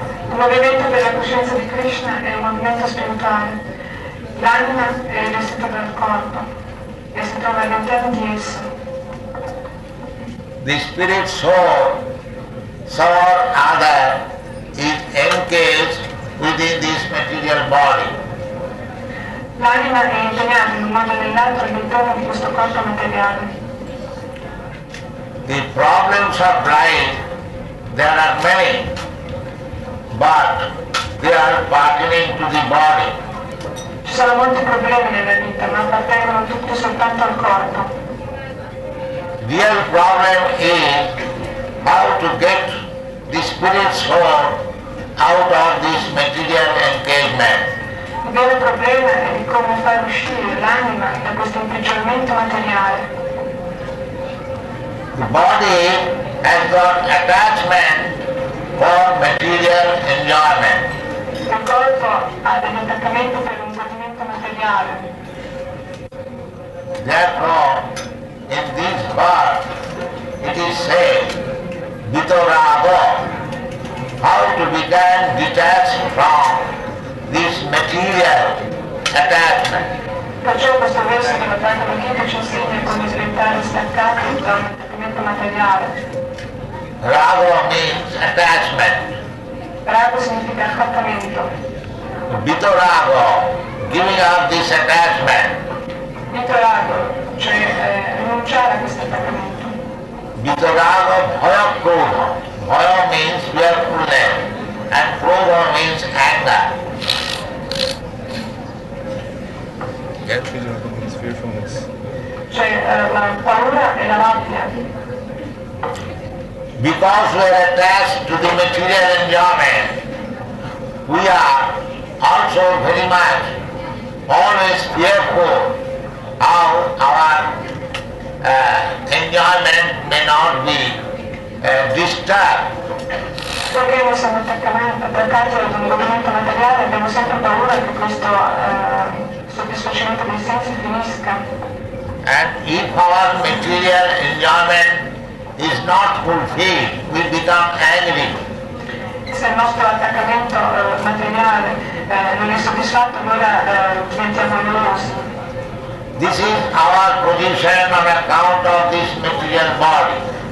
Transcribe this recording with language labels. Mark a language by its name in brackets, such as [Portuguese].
[Italian] Il movimento della coscienza di Krishna è un movimento spirituale. L'anima è il centro del corpo e si trova all'interno di esso. [English] The spirit soul, some or other, is encased within this material body. [Italian] L'anima è impegnata in un modo o nell'altro all'interno di questo corpo materiale. [English] The problems of life, there are many, but they are pertaining to the body. [Italian] Ci sono molti problemi nella vita, ma appartengono tutti soltanto al corpo. [English] The real problem is how to get the spirit soul out of this material engagement. [Italian] Il vero problema è di come far uscire l'anima da questo imprigionamento materiale. [English] The body has got attachment for material enjoyment. [Italian] Il corpo ha un attaccamento per un godimento materiale. [English] Therefore, in this part, it is said, Vitarāga, how to become detached from this material attachment. [Italian] Perciò questo verso della Bhagavad Gita ci insegna come diventare staccati da un attaccamento materiale. [English] Rago means attachment. [Italian] Rago significa attaccamento. [English] Vitarāga, giving up this attachment. [Italian] Vitarāga, cioè rinunciare a questo attaccamento. [English] Vitarāga bhaya krodha. Bhaya means fearfulness and krodha means anger. Vitarāga means fearfulness. [Italian] Cioè, la paura e la rabbia. [English] Because we are attached to the material enjoyment, we are also very much always fearful how our enjoyment may not be disturbed. [Italian] Perché noi siamo attaccati ad un documento materiale, abbiamo sempre paura che questo soddisfacimento dei sensi finisca. [English] And if our material enjoyment is not fulfilled, we become angry. [Italian] Se il nostro attaccamento materiale non è soddisfatto, allora diventiamo nervosi. [English] This is our position on account of this material body.